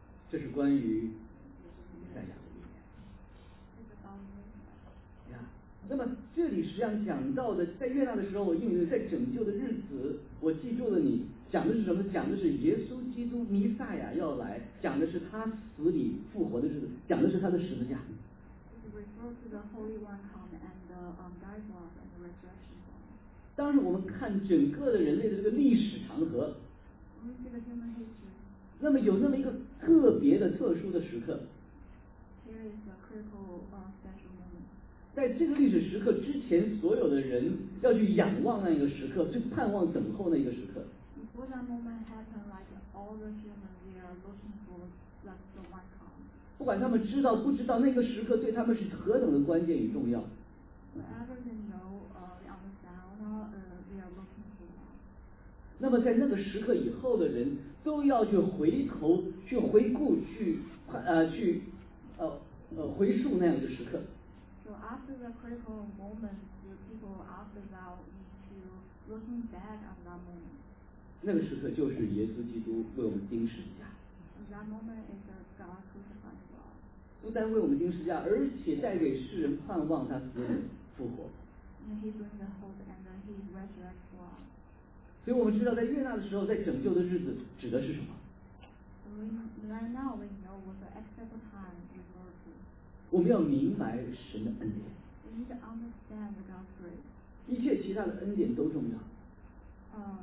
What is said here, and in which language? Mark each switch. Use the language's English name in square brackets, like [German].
[Chinese] 这是关于以赛亚的预言。那么这里实际上讲到的，在月亮的时候，我应允在拯救的日子，我记住了你。讲的是什么？讲的是耶稣基督弥赛亚要来，讲的是他死里复活的日子，讲的是他的十字架。 [English] It refers to the Holy One come and the die for us and the resurrection. [Chinese] 当时我们看整个的人类的这个历史长河。 [English] We see the human history. [Chinese] 那么有那么一个特别的特殊的时刻。 [English] Here is a critical special moment. [Chinese] 在这个历史时刻之前，所有的人要去仰望那一个时刻，去盼望等候那一个时刻。 [English] Before that moment happened, like all the humans, they are looking for like the one come. [Chinese] 不管他们知道不知道，那个时刻对他们是何等的关键与重要。 [English] Whatever they know, they understand, they are looking for one. [Chinese] 那么在那个时刻以后的人都要去回头、去回顾、去回溯那样的时刻。 [English] So after the critical moment, the people after that need to looking back at that moment. [Chinese] 那个时刻就是耶稣基督为我们钉十字架。 [English] That moment is God crucified for us. [Chinese] 不单为我们钉十字架，而且带给世人盼望他死里复活。 [English] And he brings the hope and he resurrects for us. [Chinese] 所以我们知道，在月亮的时候，在拯救的日子指的是什么？ [English] Right now we know what the exact time refers to. [Chinese] 我们要明白神的恩典。 [English] We need to understand God's grace. [Chinese] 一切其他的恩典都重要。